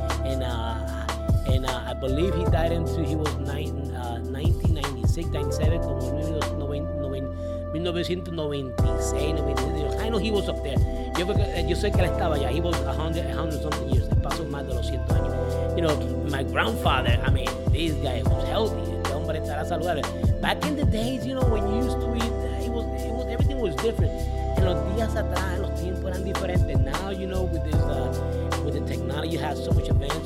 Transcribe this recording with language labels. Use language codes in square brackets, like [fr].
[en] And I believe he died until he was 1996, 1997, [es] como en 1996. [en] I know he was up there. [es] Yo sé que él estaba allá. [en] He was 100 something years. [es] Pasó más de los 100 años. [en] You know, my grandfather, I mean, this guy was healthy. [es] Este hombre estará saludable. [en] Back in the days, you know, when you used to eat, it was everything was different. [es] En los días atrás, los tiempos eran diferentes. [en] Now, you know, with this, with the technology, you have so much advance.